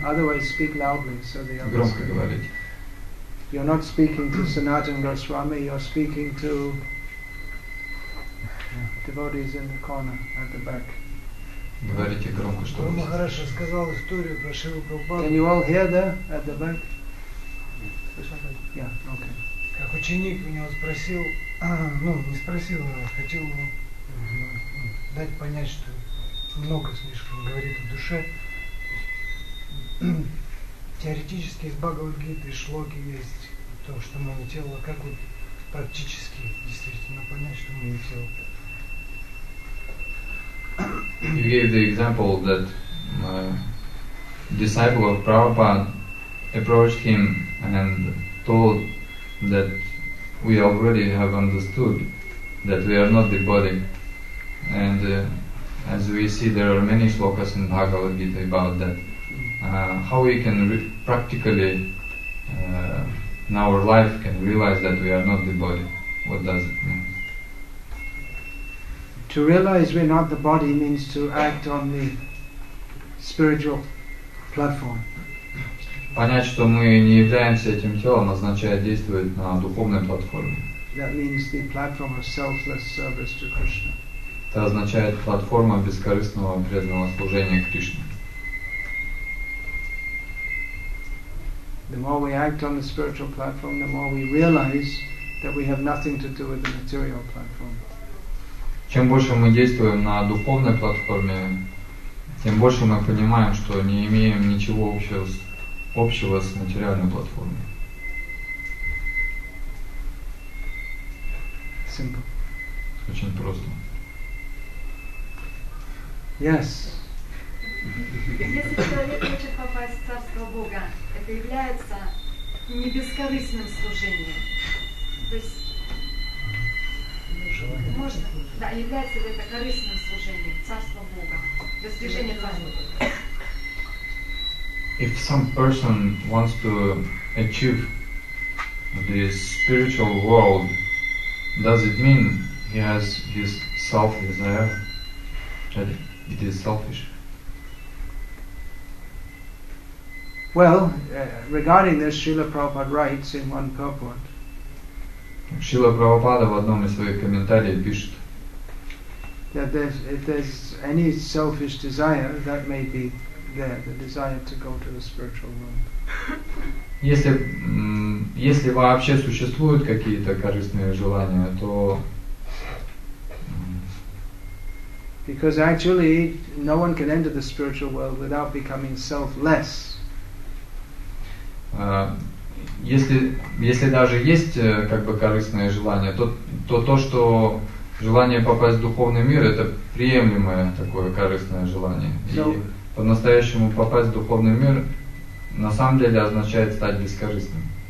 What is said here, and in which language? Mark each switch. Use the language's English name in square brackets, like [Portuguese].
[English] Otherwise speak loudly so the others can hear. You're not speaking to Sanatan Goswami, you're speaking to devotees in the corner at the back. [Russian] Говорите громко, что вы хорошо сказал историю про Шилу Прабхупаду. [English] Can you all hear there at the back? Yeah, okay. [Russian] Как ученик у него спросил, ну, не спросил, а хотел дать понять, что много слишком говорит о душе. Теоретически из Бхагавад-гиты и шлоки есть то, что мы не тело. Как вот практически действительно понять, что мы не тело? [English] You gave the example that disciple of Prabhupada approached him and told that we already have understood that we are not the body. And as we see, there are many shlokas in Bhagavad-gita about that. How we can practically in our life can realize that we are not the body? What does it mean? To realize we're not the body means to act on the spiritual platform. [Russian] Понять, что мы не являемся этим телом, означает действовать на духовной платформе. [English] That means the platform of selfless service to Krishna. [Russian] Это означает платформа бескорыстного преданного служения Кришне. [English] The more we act on the spiritual platform, the more we realize that we have nothing to do with the material platform. [Russian] Чем больше мы действуем на духовной платформе, тем больше мы понимаем, что не имеем ничего общего с материальной платформой. [English] Simple. [Russian] Очень просто. [English] Yes. [Russian] Если человек хочет попасть в Царство Бога, это является не бескорыстным служением. То есть можно, да, является ли это корыстным служением, Царство Бога, достижение Царства Бога. [English] If some person wants to achieve the spiritual world, does it mean he has this self desire that it is selfish? Well, regarding this, Srila Prabhupada writes in one purport. [Russian] Srila Prabhupada в одном из своих комментариев пишет, [English] that if there's any selfish desire, that may be there, the desire to go to the spiritual world. [Russian] Если вообще существуют какие-то корыстные желания, то... [English] Because actually, no one can enter the spiritual world without becoming selfless. [Russian] Если даже есть как бы корыстное желание, то что желание попасть в духовный мир, это приемлемое такое корыстное желание. [English] So, [Russian] и по-настоящему попасть в духовный мир на самом деле означает стать бескорыстным.